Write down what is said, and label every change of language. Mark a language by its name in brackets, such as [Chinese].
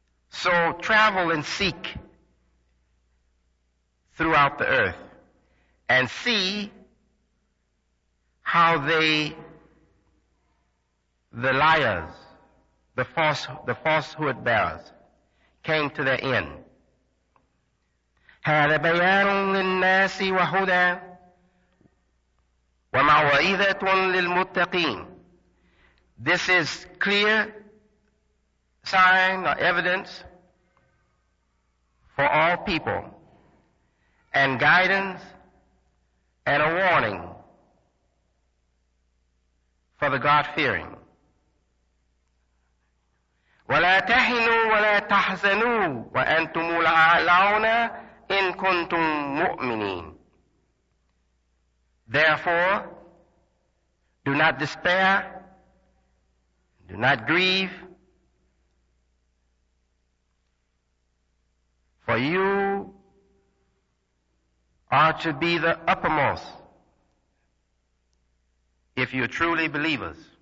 [English] So travel and seek throughout the earth and see how they, the liars, the falsehood bearers came to their end. [Arabic] هذا بيان للناس وهدى وموعظة للمتقين. [English] This is clear sign or evidence for all people, and guidance and a warning for the God-fearing. [Arabic] ولا تهنوا ولا تحزنوا وأنتم الأعلون إن كنتم مؤمنين. [English] Therefore, do not despair, do not grieve, for you are to be the uppermost if you are truly believers.